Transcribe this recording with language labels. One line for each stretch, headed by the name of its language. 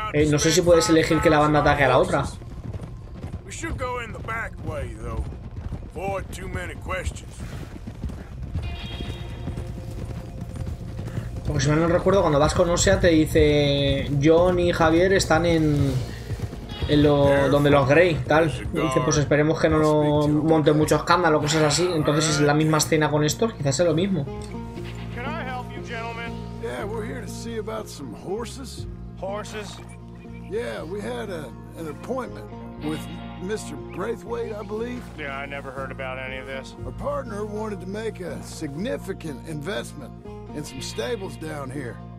Spanish: No sé si puedes elegir que la banda ataque a la otra.
English: We should go in the back way, though. Avoid too many questions.
Spanish: Porque si mal no recuerdo, cuando vas con Osea te dice John y Javier están en lo donde los Grey, tal. Y dice, pues esperemos que no lo monte mucho escándalo o cosas así. Entonces es la misma escena con estos, quizás es lo mismo.
English: Can I help you, gentlemen? Yeah, we're here to see about some horses. Horses? Yeah, we had an appointment with Mr. Braithwaite, I believe. Yeah, I never heard about any of this. Our partner wanted to make a significant investment in some stables down here.